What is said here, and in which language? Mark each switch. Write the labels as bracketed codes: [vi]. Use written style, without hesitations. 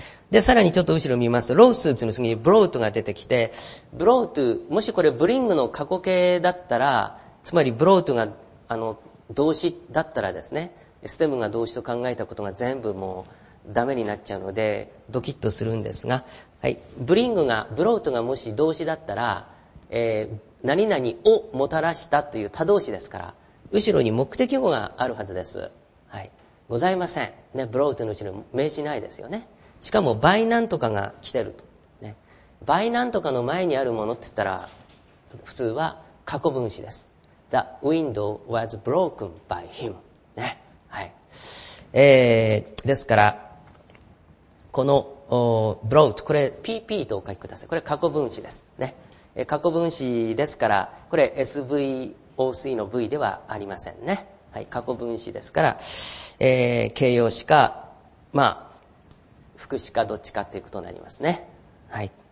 [ja] でさらにちょっと後ろ見ますロースーツの次にブロートが出てきて、ブロートもしこれブリングの過去形だったら、つまりブロートがあの動詞だったらですね、stem が動詞と考えたことが全部もうダメになっちゃうのでドキッとするんですが、はい、ブリングがブロートがもし動詞だったら、何々をもたらしたという他動詞ですから、後ろに目的語があるはずです、はい、ございません、ね、ブロートの後ろに名詞ないですよね。しかも by なんとかが来てると、ね、by なんとかの前にあるものって言ったら普通は過去分詞です。 [en] The window was broken by him、ね、はい。 [ja] ですからこのブロートこれ PP とお書きください。これ過去分詞ですね。過去分詞ですからこれ SVOC の V ではありませんね、はい、過去分詞ですから、形容詞か、まあ、副詞かどっちかということになりますね、はい。